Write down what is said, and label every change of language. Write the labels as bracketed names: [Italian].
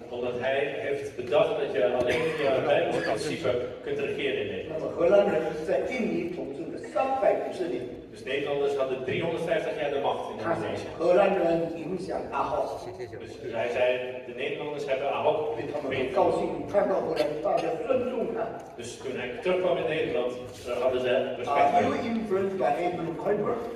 [Dutch] omdat hij heeft bedacht dat je alleen via bijbelprincipe kunt regeren in Nederland. [Chinese] 那么荷兰人在印尼统治了350年。 [Dutch] Dus Nederlanders hadden 350 jaar de macht in Indonesië. [Chinese] 荷兰人影响阿霍。 [Dutch] Dus hij zei, de Nederlanders hebben Ahok beïnvloed. [Chinese] 他们很高兴看到荷兰大家尊重他。 [Dutch] Dus toen hij terugkwam in Nederland, hadden ze respect. [English] Are you influenced by Abraham Kuyper?